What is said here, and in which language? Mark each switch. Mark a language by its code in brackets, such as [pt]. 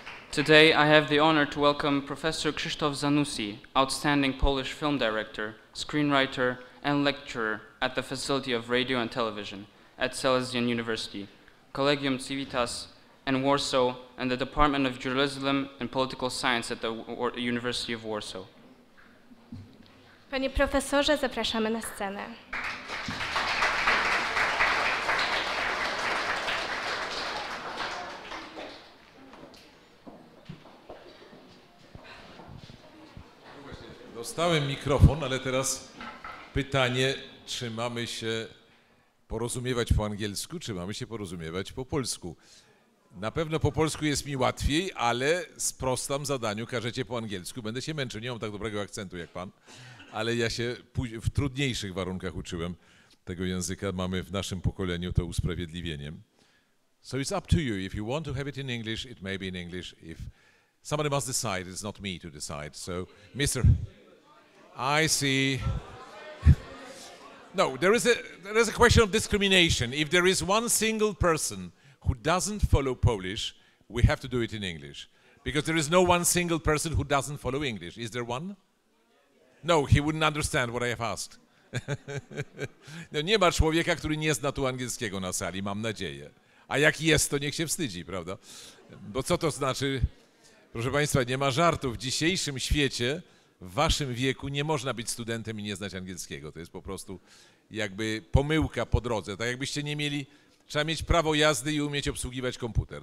[en] Today I have the honor to welcome Professor Krzysztof Zanussi, outstanding Polish film director, screenwriter and lecturer at the Faculty of Radio and Television at Silesian University, Collegium Civitas in Warsaw and the Department of Journalism and Political Science at the University of Warsaw. [pl] Panie profesorze, zapraszamy na scenę. Dostałem mikrofon, ale teraz pytanie, czy mamy się porozumiewać po angielsku, czy mamy się porozumiewać po polsku. Na pewno po polsku jest mi łatwiej, ale sprostam zadaniu, każecie po angielsku. Będę się męczył, nie mam tak dobrego akcentu jak pan, ale ja się w trudniejszych warunkach uczyłem tego języka. Mamy w naszym pokoleniu to usprawiedliwienie. [en] So it's up to you. If you want to have it in English, it may be in English. If somebody must decide, it's not me to decide. So, Mr. I see. No, there is a question of discrimination. If there is one single person who doesn't follow Polish, we have to do it in English. Because there is no one single person who doesn't follow English. Is there one? No, he wouldn't understand what I have asked. [pl] No, nie ma człowieka, który nie zna tu angielskiego na sali, mam nadzieję. A jak jest, to niech się wstydzi, prawda? Bo co to znaczy? Proszę Państwa, nie ma żartów. W dzisiejszym świecie, w waszym wieku nie można być studentem i nie znać angielskiego. To jest po prostu jakby pomyłka po drodze. Tak jakbyście nie mieli, trzeba mieć prawo jazdy i umieć obsługiwać komputer.